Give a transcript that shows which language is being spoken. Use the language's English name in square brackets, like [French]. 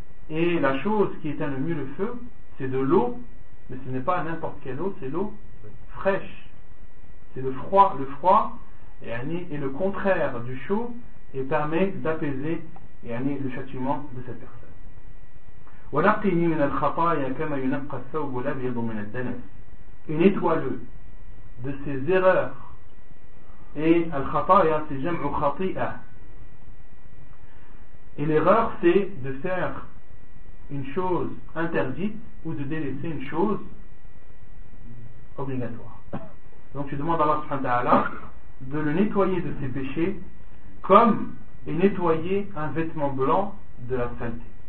[French] Et la chose qui éteint le mieux le feu, c'est de l'eau, mais ce n'est pas n'importe quelle eau, c'est l'eau fraîche, c'est le froid. Le froid est le contraire du chaud et permet d'apaiser le châtiment de cette personne. [Arabic] ونقني من الخطايا كما ينقى الثوب الابيض من الدنس. [French] Nettoie-le de ses erreurs. Et الخطايا c'est [Arabic] جمع خطيئة. [French] Et l'erreur c'est de faire une chose interdite ou de délaisser une chose obligatoire. Donc tu demandes à Allah subhanahu wa ta'ala de le nettoyer de ses péchés comme est nettoyé un vêtement blanc de la saleté.